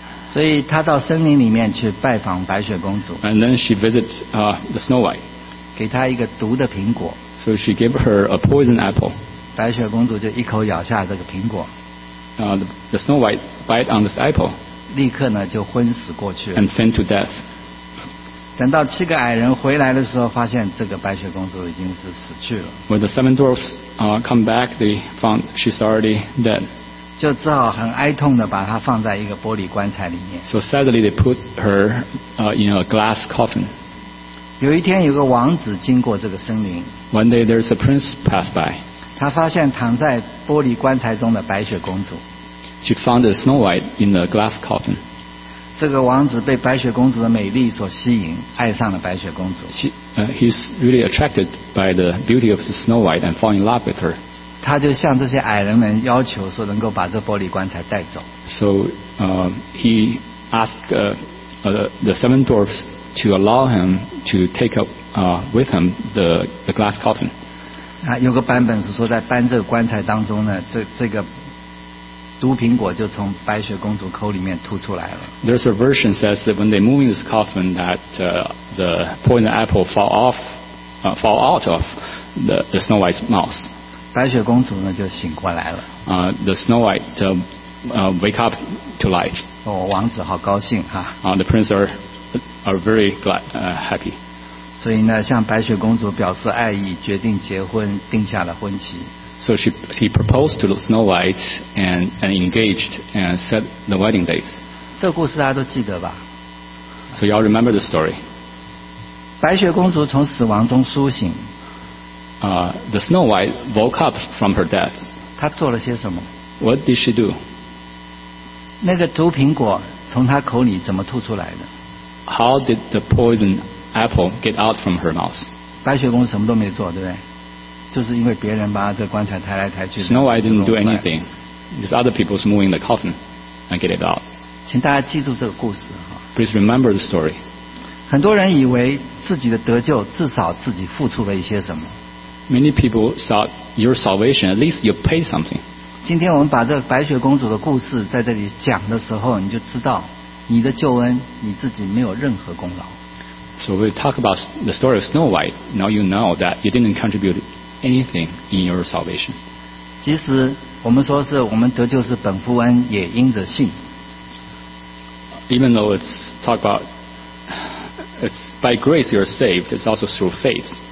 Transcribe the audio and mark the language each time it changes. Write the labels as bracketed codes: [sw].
[zh] 所以她到森林里面去拜访白雪公主。 [en] And then she visited the Snow White. [zh] 给她一个毒的苹果。 [en] So she gave her a poison apple. [zh] 白雪公主就一口咬下这个苹果。 [en] The Snow White bite on this apple. [zh] 立刻呢就昏死过去了。 [en] And faint to death. [zh] 等到七个矮人回来的时候，发现这个白雪公主已经是死去了。 [en] When the seven dwarfs come back, they found she's already dead. [zh] 就只好很哀痛地把她放在一个玻璃棺材里面。 [en] So sadly, they put her in a glass coffin. [zh] 有一天，有个王子经过这个森林。 [en] One day, there's a prince passed by. [zh] 他发现躺在玻璃棺材中的白雪公主。 [en] She found a Snow White in a glass coffin. [zh] 这个王子被白雪公主的美丽所吸引，爱上了白雪公主。 [en] He's really attracted by the beauty of Snow White and fall in love with her. [zh] 他就向这些矮人们要求说，能够把这玻璃棺材带走。 [en] So he asked the seven dwarfs to allow him to take up with him the glass coffin. [zh] 啊，有个版本是说，在搬这个棺材当中呢，这个。毒苹果就从白雪公主口里面吐出来了。 [en] There's a version says that when they moving this coffin, that the poison apple fall out of the Snow White's mouth. [zh] 白雪公主呢就醒过来了。 [en] The Snow White wake up to life. [zh] 哦，王子好高兴哈。 [en] The prince are very glad, happy. [zh] 所以呢，向白雪公主表示爱意，决定结婚，定下了婚期。 [en] So he proposed to Snow White and engaged and set the wedding date. [zh] 这故事大家都记得吧？ [en] So y'all remember the story. [zh] 白雪公主从死亡中苏醒。 [en] The Snow White woke up from her death. [zh] 她做了些什么？ [en] What did she do? [zh] 那个毒苹果从她口里怎么吐出来的？ [en] How did the poison apple get out from her mouth? [zh] 白雪公主什么都没做，对不对？就是因为别人把这棺材抬来抬去。 [en] Snow White didn't do anything. It's other people's moving the coffin and get it out. [zh] 请大家记住这个故事。 [en] Please remember the story. [zh] 很多人以为自己的得救至少自己付出了一些什么。 [en] Many people thought your salvation, at least you paid something. [zh] 今天我们把这个白雪公主的故事在这里讲的时候，你就知道你的救恩你自己没有任何功劳。 [en] So we talk about the story of Snow White, now you know that you didn't contribute anything in your salvation. [zh] 即使我们说是我们得救是本乎恩也因着信。 [en] Even though it's talk about it's by grace you're saved, it's also through faith.